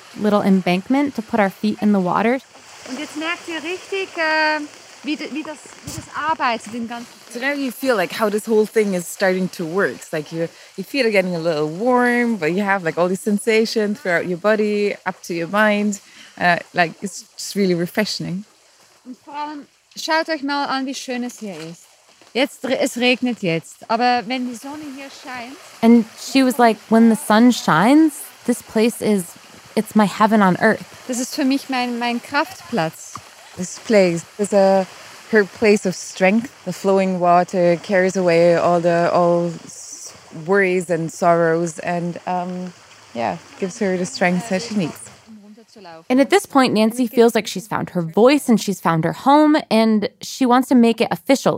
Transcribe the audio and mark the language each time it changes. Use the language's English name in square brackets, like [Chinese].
[English] little embankment to put our feet in the water. [German] Und jetzt merkt ihr richtig, wie das arbeitet, den ganzen. [English] So now you feel like how this whole thing is starting to work. It's like your feet are getting a little warm, but you have like all these sensations throughout your body, up to your mind. Like it's just really refreshing. [German] Und vor allem, schaut euch mal an, wie schön es hier ist. Jetzt, es regnet jetzt, aber wenn die Sonne hier scheint. [English] And she was like, when the sun shines, this place is, it's my heaven on earth. [German] Das ist für mich mein Kraftplatz. [English] This place is a her place of strength. The flowing water carries away all worries and sorrows and gives her the strength that she needs. And at this point, Nancy feels like she's found her voice and she's found her home, and she wants to make it official.